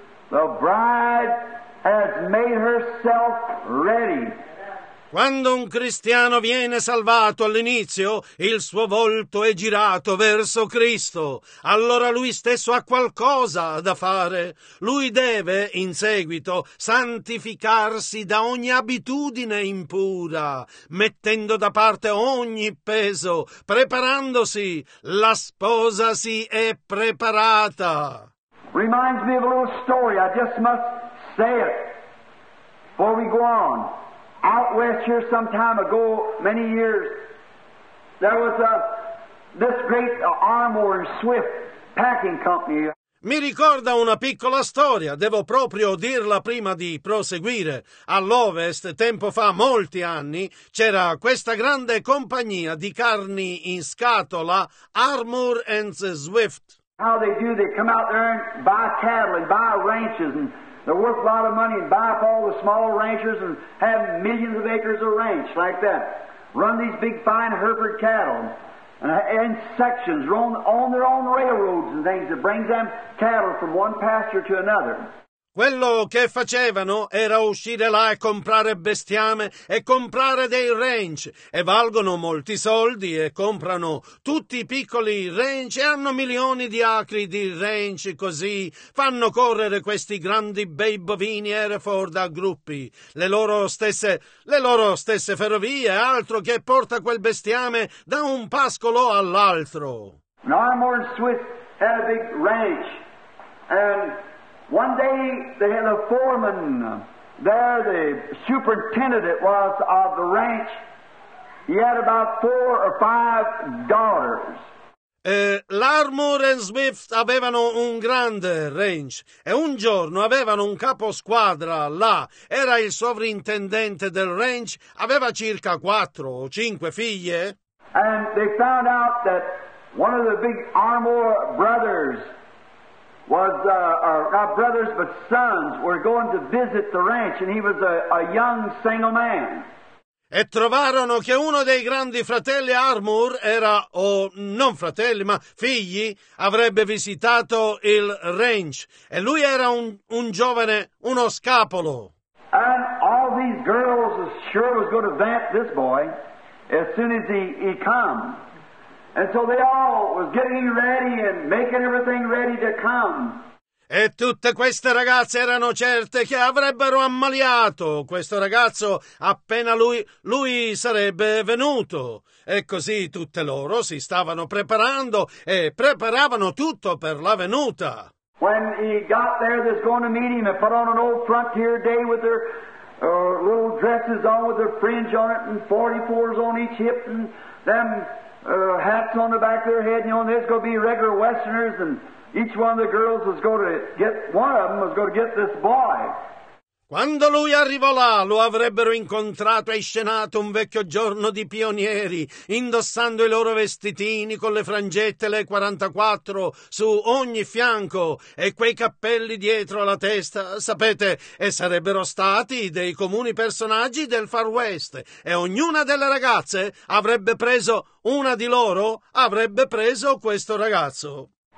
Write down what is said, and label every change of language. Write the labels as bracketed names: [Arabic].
[English] The bride has made herself ready. [Italian] Quando un cristiano viene salvato all'inizio, il suo volto è girato verso Cristo. Allora lui stesso ha qualcosa da fare. Lui deve, in seguito, santificarsi da ogni abitudine impura, mettendo da parte ogni peso, preparandosi. La sposa si è preparata. [English] Reminds me of a little story. I just must say it before we go on. Out west here some time ago, many years, there was this great Armour and Swift packing company. [Italian] Mi ricorda una piccola storia, devo proprio dirla prima di proseguire. All'ovest, tempo fa, molti anni, c'era questa grande compagnia di carni in scatola, Armour and Swift. [English] How they do, they come out there and buy cattle and buy ranches and they're worth a lot of money and buy up all the small ranchers and have millions of acres of ranch like that. Run these big fine Hereford cattle and sections, run on their own railroads and things that brings them cattle from one pasture to another. [Italian] Quello che facevano era uscire là e comprare bestiame e comprare dei ranch, e valgono molti soldi e comprano tutti i piccoli ranch e hanno milioni di acri di ranch, così fanno correre questi grandi bei bovini Hereford a gruppi, le loro stesse ferrovie, altro che porta quel bestiame da un pascolo all'altro. [English] Norman Swift had a big ranch and one day they had a foreman there, the superintendent it was of the ranch. He had about four or five daughters. [Italian] Larmour and Swift avevano un grande ranch e un giorno avevano un capo squadra là. Era il sovrintendente del ranch, aveva circa quattro o cinque figlie. [English] And they found out that one of the big Armour brothers was not brothers but sons were going to visit the ranch, and he was a young single man. [Italian] E trovarono che uno dei grandi fratelli Armour era, o non fratelli ma figli, avrebbe visitato il ranch, e lui era un giovane, uno scapolo. [English] And all these girls sure was going to vamp this boy as soon as he come. And so they all was getting ready and making everything ready to come. [Italian] E tutte queste ragazze erano certe che avrebbero ammaliato questo ragazzo appena lui sarebbe venuto. E così tutte loro si stavano preparando e preparavano tutto per la venuta. [English] When he got there, they're going to meet him and put on an old frontier day with their little dresses on with their fringe on it and 44s on each hip and them hats on the back of their head, you know, and there's going to be regular Westerners, and each one of the girls was going to get, one of them was going to get this boy. [Italian] Quando lui arrivò là, lo avrebbero incontrato e scenato un vecchio giorno di pionieri, indossando i loro vestitini con le frangette, le 44 su ogni fianco e quei cappelli dietro alla testa, sapete, e sarebbero stati dei comuni personaggi del Far West, e ognuna delle ragazze avrebbe preso una di loro, avrebbe preso questo ragazzo.